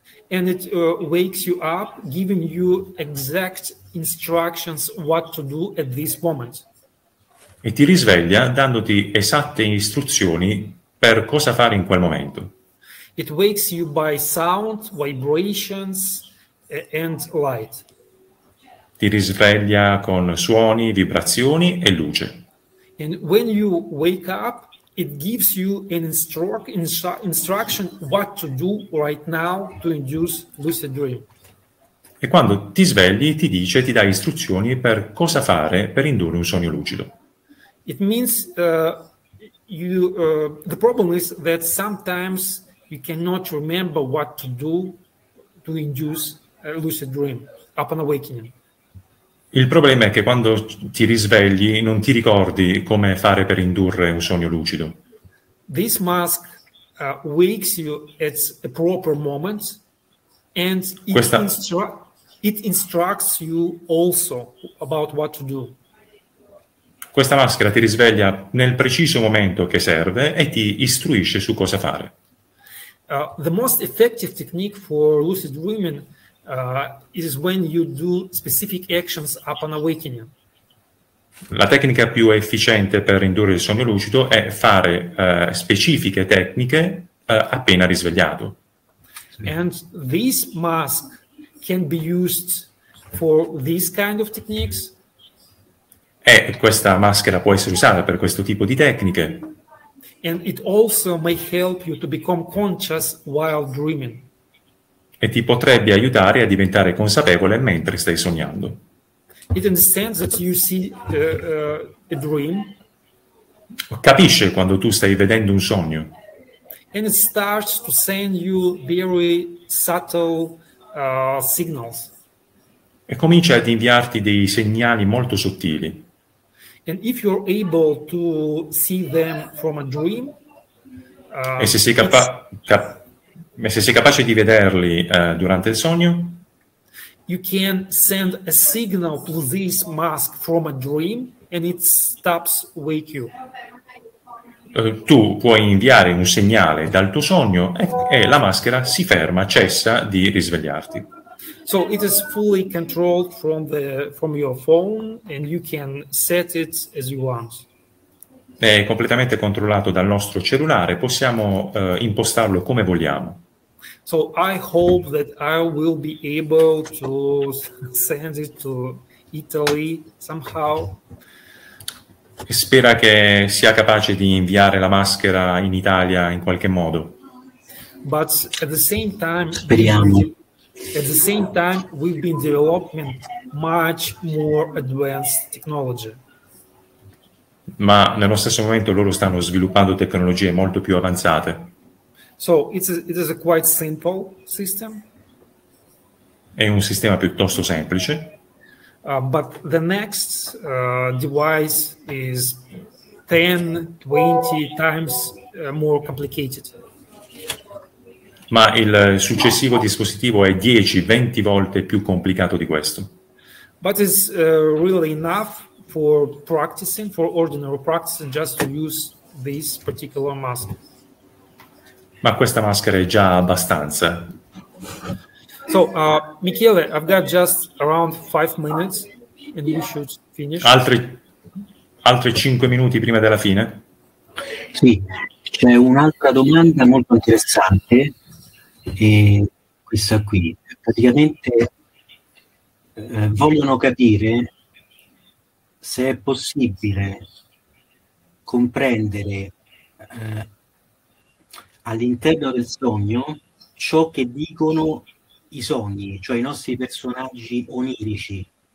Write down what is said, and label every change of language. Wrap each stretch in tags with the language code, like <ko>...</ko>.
<en>And it wakes you up, giving you exact instructions what to do at this moment.</en> <it>E ti risveglia dandoti esatte istruzioni per cosa fare in quel momento.</it> <en>It wakes you by sound, vibrations, and light.</en> <it>Ti risveglia con suoni, vibrazioni e luce.</it> <en>And when you wake up, it gives you an instruction what to do right now to induce lucid dream.</en> <it>E quando ti svegli, ti dice, ti dà istruzioni per cosa fare per indurre un sogno lucido.</it> <en>It means the problem is that sometimes you cannot remember what to do to induce a lucid dream upon awakening.</en> <it>Il problema è che quando ti risvegli non ti ricordi come fare per indurre un sogno lucido.</it> <en>This mask wakes you at a proper moment and it instructs you also about what to do.</en> <it>Questa maschera ti risveglia nel preciso momento che serve e ti istruisce su cosa fare.</it> <en>The most effective technique for lucid dreaming is when you do specific actions upon awakening.</en> <it>La tecnica più efficiente per indurre il sogno lucido è fare specifiche tecniche appena risvegliato.</it> <en>And this mask can be used for these kind of techniques.</en> <it>E questa maschera può essere usata per questo tipo di tecniche.</it> <en>And it also may help you to become conscious while dreaming.</en> <it>E ti potrebbe aiutare a diventare consapevole mentre stai sognando.</it> <en>It understands that you see a dream.</en> <it>Capisce quando tu stai vedendo un sogno.</it> <en>And it starts to send you very subtle signals.</en> <it>E comincia ad inviarti dei segnali molto sottili.</it> <en>And if you're able to see them from a dream,</en> <it>E se sei capace di vederli durante il sogno?</it> <en>You can send a signal to this mask from a dream and it stops wake you.</en> <it>Tu puoi inviare un segnale dal tuo sogno e la maschera si ferma, cessa di risvegliarti.</it> <en>So it is fully controlled from the from your phone and you can set it as you want.</en> <it>È completamente controllato dal nostro cellulare, possiamo impostarlo come vogliamo.</it> <en>So I hope that I will be able to send it to Italy somehow.</en> <it>Spera che sia capace di inviare la maschera in Italia in qualche modo.</it> <en>But at the same time,</en> <it>speriamo.</it> <en>At the same time, we've been developing much more advanced technology.</en> <it>Ma nello stesso momento loro stanno sviluppando tecnologie molto più avanzate.</it> <en>So it is a quite simple system.</en> <it>È un sistema piuttosto semplice.</it> <en>But the next device is 10-20 times more complicated.</en> <it>Ma il successivo dispositivo è 10-20 volte più complicato di questo.</it> <en>But it's really enough for practicing, for ordinary practicing, just to use this particular mask.</en> <it>Ma questa maschera è già abbastanza.</it> <en>So, Michele, I've got just around 5 minutes and we should finish.</en> <it>Altri 5 minuti prima della fine? Sì, c'è un'altra domanda molto interessante, e questa qui. Praticamente vogliono capire se è possibile comprendere all'interno del sogno ciò che dicono i sogni, cioè i nostri personaggi onirici,</it>